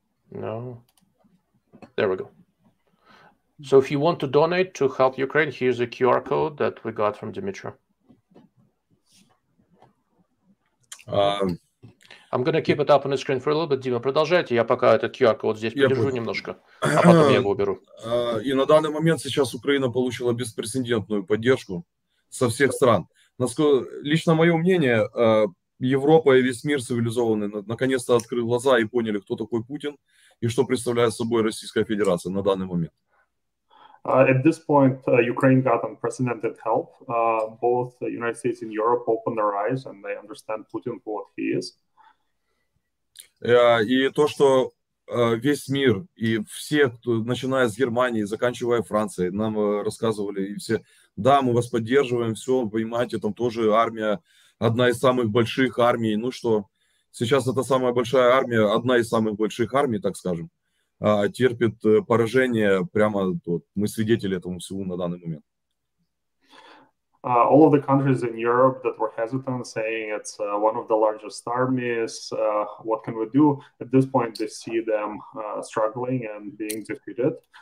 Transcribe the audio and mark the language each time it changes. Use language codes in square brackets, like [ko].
[en] No. There we go. So if you want to donate to help Ukraine, here's a QR code that we got from Dmitry. I'm going to keep it up on the screen for a little bit. [ru] Дима, продолжайте. Я пока этот QR-код здесь подержу немножко, а потом я его уберу. И на данный момент сейчас Украина получила беспрецедентную поддержку со всех стран. Лично мое мнение, Европа и весь мир цивилизованный наконец-то открыли глаза и поняли, кто такой Путин и что представляет собой Российская Федерация на данный момент. [en] At this point, Ukraine got unprecedented help. Both the United States and Europe opened their eyes and they understand Putin for what he is. [ru] И то, что весь мир и все, кто, начиная с Германии, заканчивая Францией, нам рассказывали, и все, да, мы вас поддерживаем, все, понимаете, там тоже армия, одна из самых больших армий, ну что, сейчас это самая большая армия, одна из самых больших армий, так скажем, терпит поражение, прямо вот, мы свидетели этому всему на данный момент. [en] All of the countries in Europe that were hesitant, saying it's one of the largest armies, what can we do? At this point, they see them struggling and being defeated.